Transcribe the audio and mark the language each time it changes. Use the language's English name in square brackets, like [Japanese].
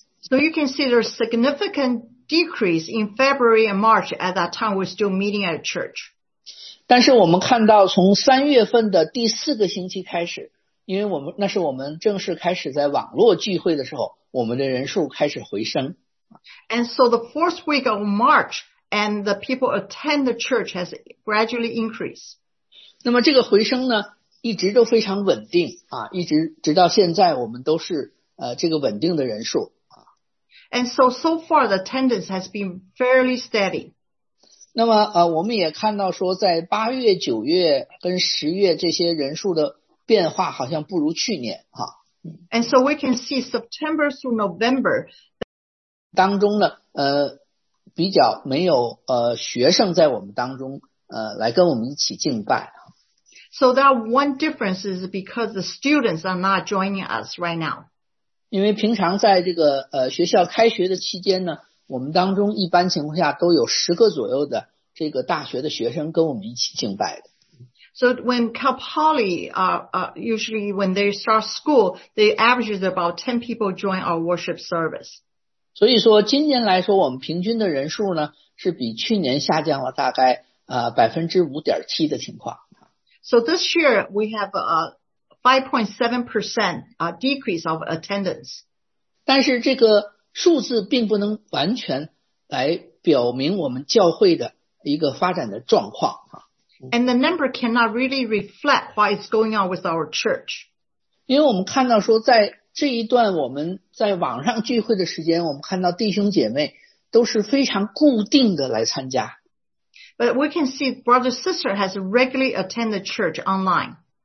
[English] So you can see there's significant decrease in February and March. At that time, we're still meeting at a church. [Chinese] 但是我们看到从三月份的第四个星期开始，因为我们那是我们正式开始在网络聚会的时候，我们的人数开始回升。 [English] And so the fourth week of March and the people attend the church has gradually increased. [Chinese] 那么这个回升呢一直都非常稳定啊，一直直到现在我们都是这个稳定的人数。 [English] And so far the attendance has been fairly steady. [Chinese] 那么我们也看到说在八月九月跟十月这些人数的变化好像不如去年啊。 [English] And so we can see September through November. [Chinese] 当中呢比较没有学生在我们当中来跟我们一起敬拜。 [English] So that one difference is because the students are not joining us right now. [Chinese] 因为平常在这个学校开学的期间呢，我们当中一般情况下都有十个左右的这个大学的学生跟我们一起敬拜的。 [English] So when Cal Poly, usually when they start school, they average about 10 people join our worship service. [Chinese] 所以说今年来说我们平均的人数呢是比去年下降了大概5.7% 的情况。 [English] So this year we have a 5.7% decrease of attendance. [Chinese] 但是这个数字并不能完全来表明我们教会的一个发展的状况。 [English] And the number cannot really reflect what is going on with our church. [Chinese] 因为我们看到说在这一段我们在网上聚会的时间，我们看到弟兄姐妹都是非常固定的来参加。 [English] But we can see brother sister has regularly attend the church online.